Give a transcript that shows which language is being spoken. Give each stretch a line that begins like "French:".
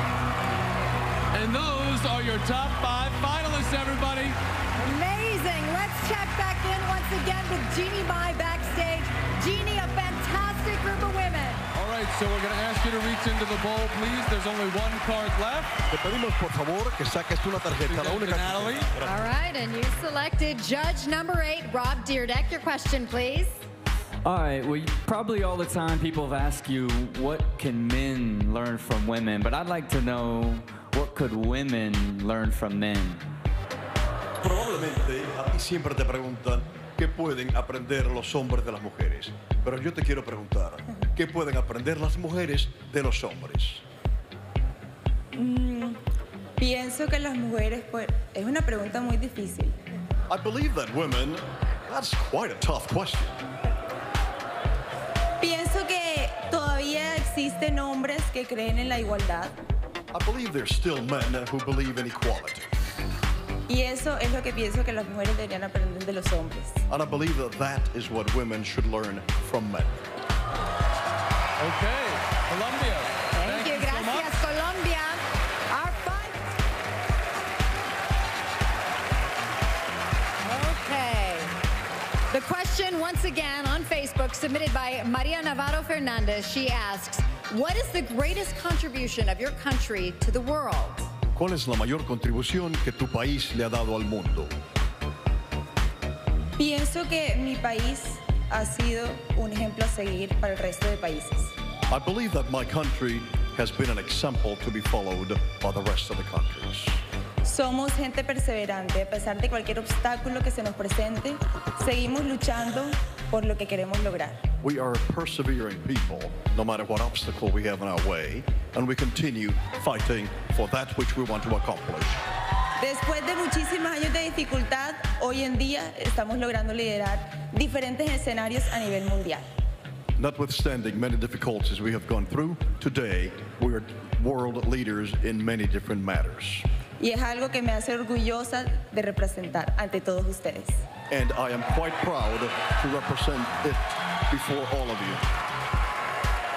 English: And those are your top 5 finalists, everybody. Amazing. Let's check back in once again with Jeannie Mai backstage. Jeannie, a fantastic group of women. So we're going to ask you to reach into the bowl, please. There's only one card left.
Spanish: Te pedimos, por favor, que saques una tarjeta. La única. Natalie.
English: All right, and you selected judge number 8, Rob Dyrdek. Your question, please. All right, well, probably all the time people have asked you, what can men learn from women? But I'd like to know, what could women learn from men?
Spanish: Probablemente a ti siempre te preguntan, ¿qué pueden aprender los hombres de las mujeres? Pero yo te quiero preguntar, ¿qué pueden aprender las mujeres de los hombres? Pienso que las mujeres, pues, es una pregunta muy difícil.
English: I believe that women, that's quite a tough question.
Spanish: Pienso que todavía existen hombres que creen en la igualdad.
English: I believe there's still men who believe in equality.
Spanish: Y eso es lo que pienso que las mujeres deberían aprender de los hombres.
English: And I believe that that is what women should learn from men. Okay, Colombia. Thank you,
Spanish: gracias,
English: so Colombia. Our five. Okay. The question once again on Facebook, submitted by Maria Navarro Fernandez. She asks, "What is the greatest contribution of your country to the world?"
Spanish: ¿Cuál es la mayor contribución que tu país le ha dado al mundo? Pienso que mi país ha sido un ejemplo a seguir para el resto de países.
English: I believe that my country has been an example to be followed by the rest of the countries.
Spanish: Somos gente perseverante. A pesar de cualquier obstáculo que se nos presente, seguimos luchando por lo que queremos lograr.
English: We are a persevering people, no matter what obstacle we have in our way, and we continue fighting for that which we want to accomplish.
Spanish: Después de muchísimos años de dificultad, hoy en día estamos logrando liderar diferentes escenarios a nivel mundial.
English: Notwithstanding many difficulties we have gone through, today we are world leaders in many different matters.
Spanish: Y es algo que me hace orgullosa de representar ante todos ustedes.
English: And I am quite proud to represent it before all of you.